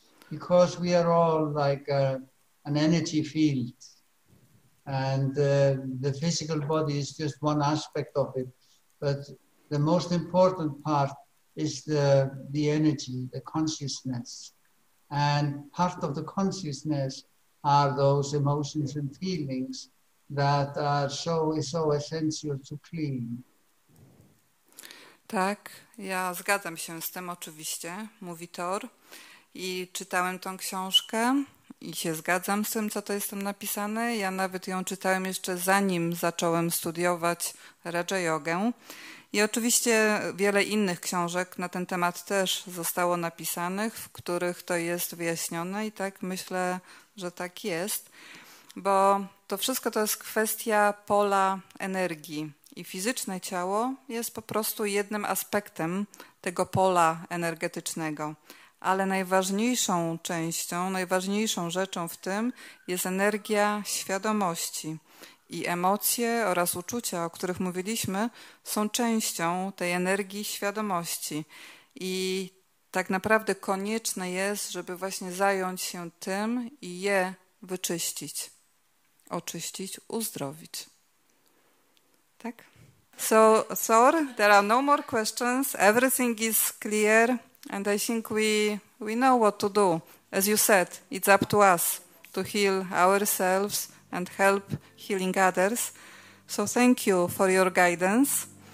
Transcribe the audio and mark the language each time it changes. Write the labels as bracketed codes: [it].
[en] Because we are all like an energy field, and the physical body is just one aspect of it, but the most important part is the energy, the consciousness. And part of the consciousness are those emotions and feelings that are so essential to clean. [pl] Tak, ja zgadzam się z tym oczywiście, mówi Thor. I czytałem tą książkę i się zgadzam z tym, co to jest tam napisane. Ja nawet ją czytałem jeszcze zanim zacząłem studiować Raja Jogę. I oczywiście wiele innych książek na ten temat też zostało napisanych, w których to jest wyjaśnione i tak myślę, że tak jest. Bo to wszystko to jest kwestia pola energii. I fizyczne ciało jest po prostu jednym aspektem tego pola energetycznego. Ale najważniejszą częścią, najważniejszą rzeczą w tym jest energia świadomości. I emocje oraz uczucia, o których mówiliśmy, są częścią tej energii świadomości. I tak naprawdę konieczne jest, żeby właśnie zająć się tym i je wyczyścić, oczyścić, uzdrowić. Tak? [en] So, Thor, there are no more questions. Everything is clear. And I think we know what to do. As you said, it's up to us to heal ourselves and help healing others. So thank you for your guidance.